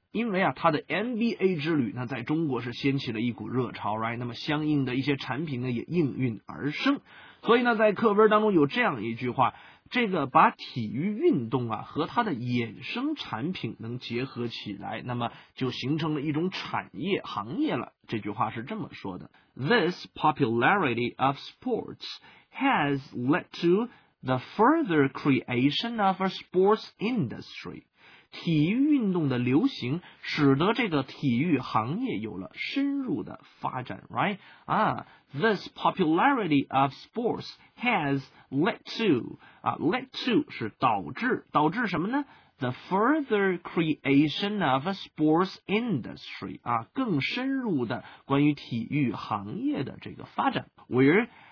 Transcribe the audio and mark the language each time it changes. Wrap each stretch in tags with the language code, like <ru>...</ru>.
<zh>因为啊，他的 NBA 之旅呢，在中国是掀起了一股热潮 ，</zh> <en>right？</en> <zh>那么相应的一些产品呢，也应运而生。所以呢，在课文当中有这样一句话。这个把体育运动啊和它的衍生产品能结合起来，那么就形成了一种产业行业了。这句话是这么说的</zh> <en>This popularity of sports has led to the further creation of a sports industry.</en> <zh>体育运动的流行使得这个体育行业有了深入的发展 ，</zh> <en>right？啊、This popularity of sports has led to 啊 ，led to</en> <zh>是导致什么呢</zh> <en>？The further creation of a sports industry 啊，</en> <zh>更深入的关于体育行业的这个发展</zh> <en>，where</en>